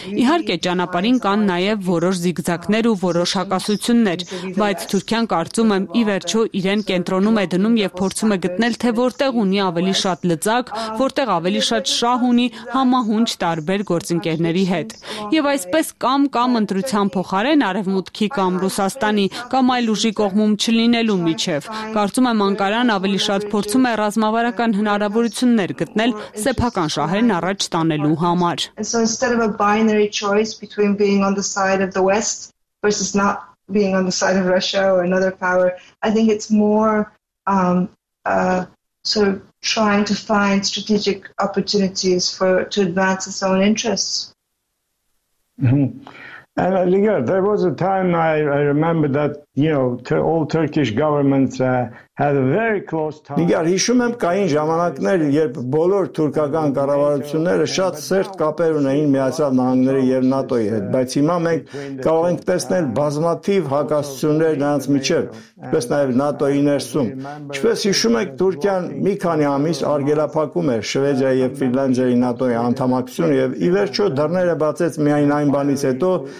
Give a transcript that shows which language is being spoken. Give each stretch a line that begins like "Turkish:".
Armenian: Իհարկե, ճանապարհին կան նաև որոշ զիգզակներ ու որոշ հակասություններ, բայց Թուրքիան կարծում եմ ի վերջո իրեն կենտրոնում է դնում եւ փորձում է գտնել, թե որտեղ ունի ավելի շատ լծակ, որտեղ ավելի շատ շահ ունի համահունչ տարբեր գործընկերների հետ։ Եվ այսպես կամ ընտրության փոխարեն Արևմուտքի կամ Ռուսաստանի կամ այլ ուժի կողմում չլինելու միջև, կարծում եմ Անկարան ավելի շատ փորձում է ռազմավարական հնարավորություններ գտնել սեփական շահերն առաջ տանելու համար։
English: Being on the side of the West versus not being on the side of Russia or another power, I think it's more sort of trying to find strategic opportunities to advance its own interests. And there was a time I remember that all Turkish governments had a very close tie.
Armenian: Նիգար, հիշում եմ կային ժամանակներ, երբ բոլոր թուրքական կառավարությունները շատ սերտ կապեր ունեին Միացյալ Նահանգների եւ ՆԱՏՕ-ի հետ, բայց հիմա մենք կարող ենք տեսնել բազմաթիվ հակասություններ նրանց միջև, ինչպես նաեւ ՆԱՏՕ-ի ներսում։ Ինչպես հիշում եք, Թուրքիան մի քանի ամիս արգելափակում էր Շվեդիայի եւ Ֆինլանդիայի ՆԱՏՕ-ի անդամակցությունը եւ ի վերջո դռները բացեց միայն այն բանից հետո,